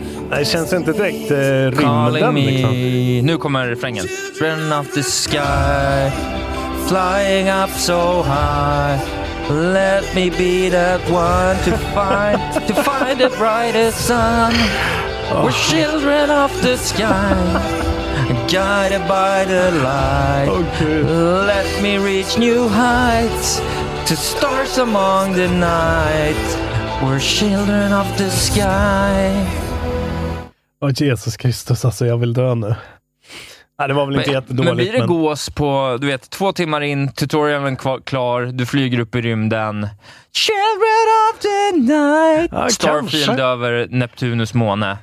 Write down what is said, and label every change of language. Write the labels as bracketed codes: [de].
[sv] Nej, det känns inte direkt rymden liksom. Nu kommer refrängen. [en] Friend of the sky, flying up so high, let me be that one to find, to find the brightest sun. We're children of the sky, guided by the light. Let me reach new heights, to stars among the night. We're children of the sky. [sv] Åh, Jesus Kristus, alltså jag vill dö nu. Nej, det var väl inte jättedåligt. Men blir det gås på, du vet, 2 timmar in, tutorialen klar, du flyger upp i rymden. [en] Children of the night. [sv] Ja, Starfield kanske. Över Neptunus måne.